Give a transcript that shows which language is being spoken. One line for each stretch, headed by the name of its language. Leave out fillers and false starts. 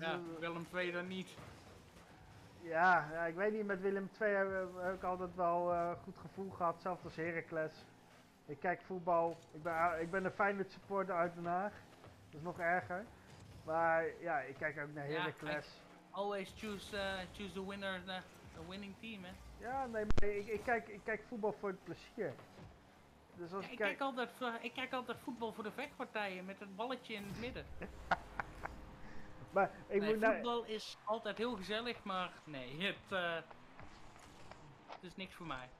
Dutch: Ja, Willem II dan niet. Ja, ik weet niet, met Willem II heb ik altijd wel goed gevoel gehad. Zelfs als Heracles. Ik kijk voetbal. Ik ben een Feyenoord supporter uit Den Haag. Dat is nog erger. Maar ja, ik kijk ook naar Heracles.
English: Ja, always choose the winner, the winning team, hè.
Dutch: Ja, nee, maar ik kijk voetbal voor het plezier. Dus als ik kijk altijd voetbal voor de vechtpartijen met het balletje in het midden. Maar is altijd heel gezellig, maar nee, het is niks voor mij.